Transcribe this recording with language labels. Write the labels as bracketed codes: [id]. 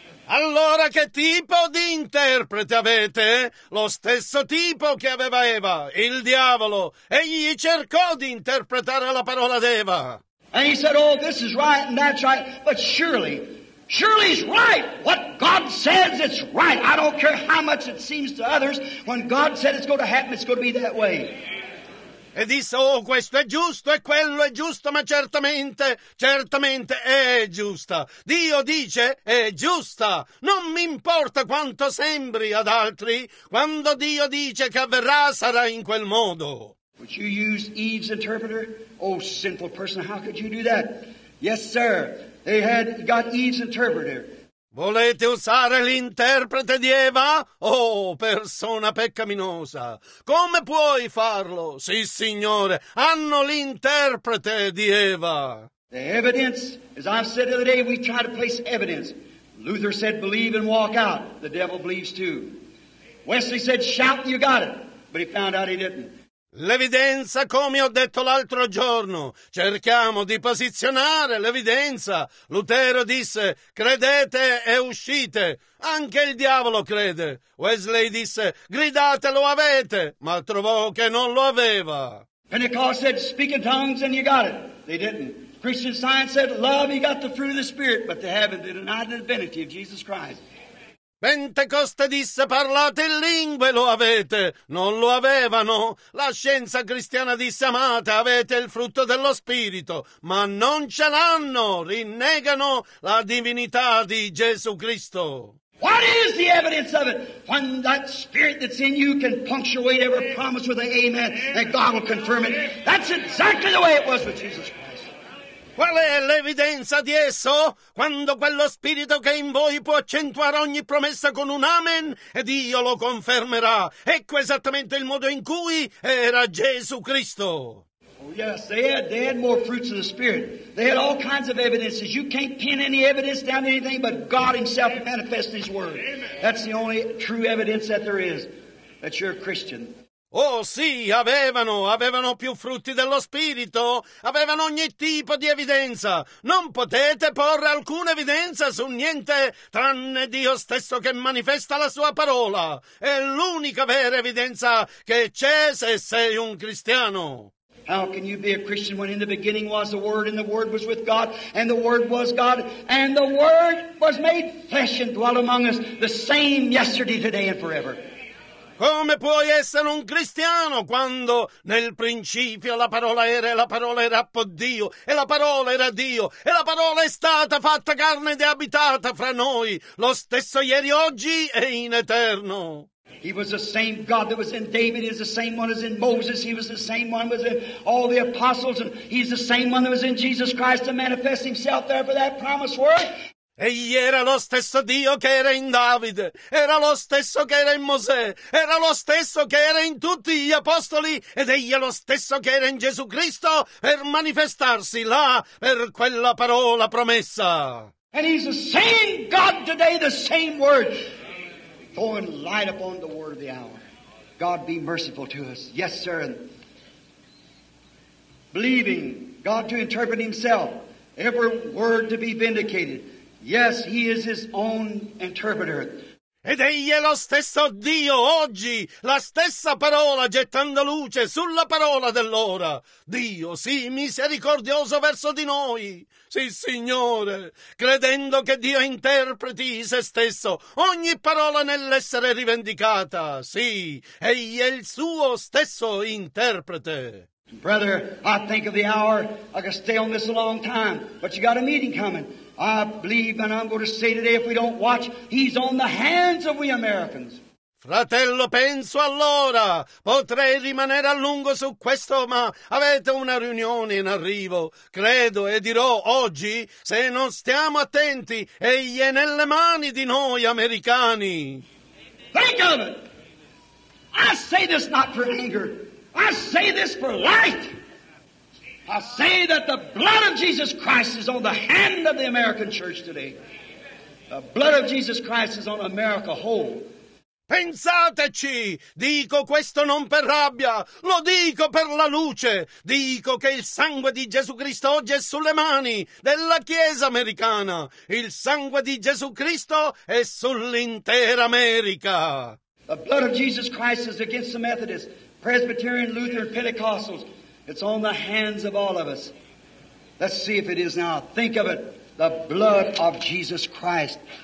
[it] Allora che tipo di interprete avete? Lo stesso tipo che aveva Eva, il diavolo. Egli cercò di interpretare la parola d'Eva. [en] And he said, oh, this is right and that's right. But surely, surely it's right. What God says, it's right. I don't care how much it seems to others. When God said it's going to happen, it's going to be that way. [it] E disse, oh, questo è giusto, e quello è giusto, ma certamente, certamente è giusta. Dio dice, è giusta. Non mi importa quanto sembri ad altri, quando Dio dice che avverrà, sarà in quel modo. [en] Would you use Eve's interpreter? Oh, sinful person, how could you do that? Yes, sir, they had got Eve's interpreter. [it] Volete usare l'interprete di Eva? Oh, persona peccaminosa! Come puoi farlo? Sì, signore, hanno l'interprete di Eva. [en] The evidence, as I've said the other day, we try to place evidence. Luther said, believe and walk out. The devil believes too. Wesley said, shout and you got it. But he found out he didn't. [it] L'evidenza, come ho detto l'altro giorno, cerchiamo di posizionare l'evidenza. Lutero disse, credete e uscite. Anche il diavolo crede. Wesley disse, gridate, lo avete, ma trovò che non lo aveva. [en] Pentecost said, speak in tongues and you got it. They didn't. Christian Science said, love, you got the fruit of the Spirit, but they haven't. They denied the divinity of Jesus Christ. [it] Pentecoste disse, parlate in lingue, lo avete. Non lo avevano. La scienza cristiana disse, amate, avete il frutto dello Spirito. Ma non ce l'hanno. Rinnegano la divinità di Gesù Cristo. [en] What is the evidence of it? When that spirit that's in you can punctuate every promise with an amen, that God will confirm it. That's exactly the way it was with Jesus Christ. [it] Qual è l'evidenza di esso? Quando quello spirito che in voi può accentuare ogni promessa con un amen, ed io lo confermerà. Ecco esattamente il modo in cui era Gesù Cristo. [en] Oh yes, they had more fruits of the Spirit. They had all kinds of evidences. You can't pin any evidence down to anything but God himself manifest his word. That's the only true evidence that there is, that you're a Christian. [it] Oh sì, avevano più frutti dello Spirito, avevano ogni tipo di evidenza. Non potete porre alcuna evidenza su niente, tranne Dio stesso che manifesta la sua parola. È l'unica vera evidenza che c'è se sei un cristiano. [en] How can you be a Christian when in the beginning was the Word, and the Word was with God, and the Word was God, and the Word was made flesh and dwelt among us, the same yesterday, today, and forever? [it] Come puoi essere un cristiano quando nel principio la parola era e la parola era appo' Dio e la parola era Dio e la parola è stata fatta carne ed è abitata fra noi, lo stesso ieri, oggi e in eterno? [en] He was the same God that was in David. He was the same one as in Moses. He was the same one that was in all the apostles. And he's the same one that was in Jesus Christ to manifest himself there for that promised word. [it] Egli era lo stesso Dio che era in Davide, era lo stesso che era in Mosè, era lo stesso che era in tutti gli apostoli, ed egli è lo stesso che era in Gesù Cristo per manifestarsi là per quella parola promessa. [en] And he's the same God today, the same word, throwing light upon the word of the hour. God be merciful to us. Yes, sir. And believing God to interpret himself, every word to be vindicated. Yes, he is his own interpreter. [it] Ed egli è lo stesso Dio oggi, la stessa parola gettando luce sulla parola dell'ora. Dio, sii misericordioso verso di noi. Sì, Signore, credendo che Dio interpreti se stesso, ogni parola nell'essere rivendicata. Sì, egli è il suo stesso interprete. [en] Brother, I think of the hour. I could stay on this a long time, but you got a meeting coming. I believe, and I'm going to say today, if we don't watch, he's on the hands of we Americans. [it] Fratello, penso allora. Potrei rimanere a lungo su questo, ma avete una riunione in arrivo. Credo e dirò oggi, se non stiamo attenti, egli è nelle mani di noi americani. [en] Think of it! I say this not for anger. I say this for light. I say that the blood of Jesus Christ is on the hand of the American church today. The blood of Jesus Christ is on America whole. [it] Pensateci! Dico questo non per rabbia, lo dico per la luce. Dico che il sangue di Gesù Cristo oggi è sulle mani della Chiesa americana. Il sangue di Gesù Cristo è sull'intera America. [en] The blood of Jesus Christ is against the Methodists, Presbyterian, Lutheran, Pentecostals. It's on the hands of all of us. Let's see if it is now. Think of it. The blood of Jesus Christ.